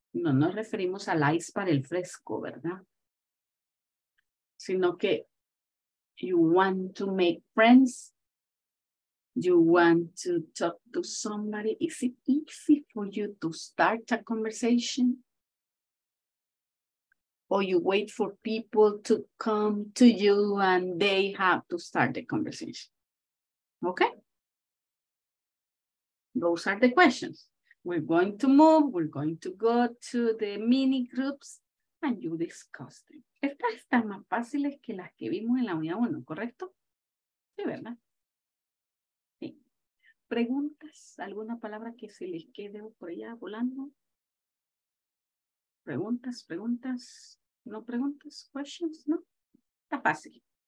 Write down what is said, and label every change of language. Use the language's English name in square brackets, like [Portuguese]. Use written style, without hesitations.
[Spanish] No nos referimos al ice para el fresco, ¿verdad? Sino que [English] you want to make friends, you want to talk to somebody. Is it easy for you to start a conversation? Or you wait for people to come to you and they have to start the conversation? Okay? Those are the questions. We're going to move. We're going to go to the mini groups and you discuss them. [Spanish] Estas están más fáciles que las que vimos en la unidad 1, ¿correcto? Sí, ¿verdad? Sí. ¿Preguntas? ¿Alguna palabra que se les quede por allá volando? ¿Preguntas? ¿Preguntas? ¿No preguntas? ¿Questions? ¿No? Está fácil.